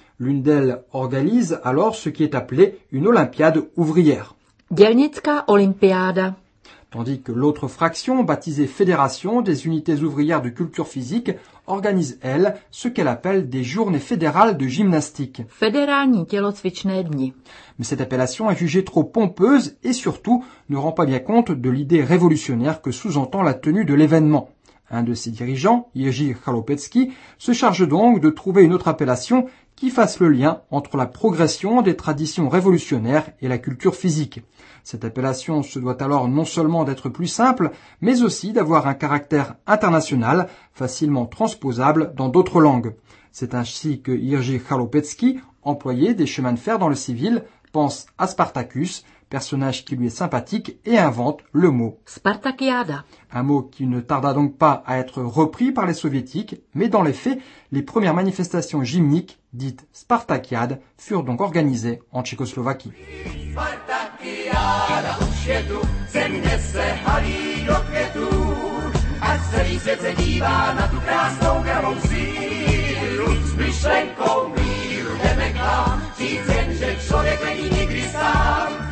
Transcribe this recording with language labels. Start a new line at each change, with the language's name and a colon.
French: L'une d'elles organise alors ce qui est appelé une olympiade ouvrière.
Czech: Dělnická olympiáda.
French: Tandis que l'autre fraction, baptisée Fédération des unités ouvrières de culture physique, organise, elle, ce qu'elle appelle des journées fédérales de gymnastique.
Czech: Fédérální tělocvičné dny.
French: Mais cette appellation est jugée trop pompeuse et surtout ne rend pas bien compte de l'idée révolutionnaire que sous-entend la tenue de l'événement. Un de ses dirigeants, Jiří Chaloupecký, se charge donc de trouver une autre appellation qui fasse le lien entre la progression des traditions révolutionnaires et la culture physique. Cette appellation se doit alors non seulement d'être plus simple, mais aussi d'avoir un caractère international, facilement transposable dans d'autres langues. C'est ainsi que Jiří Chaloupecký, employé des chemins de fer dans le civil, pense à Spartacus, personnage qui lui est sympathique, et invente le mot Spartakiada. Un mot qui ne tarda donc pas à être repris par les soviétiques, mais dans les faits, les premières manifestations gymniques, dites Spartakiades, furent donc organisées en Tchécoslovaquie.
Czech: Spartakiada, už je tu, země se halí do květu, a celý svět se dívá na tu krásnou gravou sílu. S myšlenkou míru jdeme k vám, říct jen, že člověk není nikdy sám.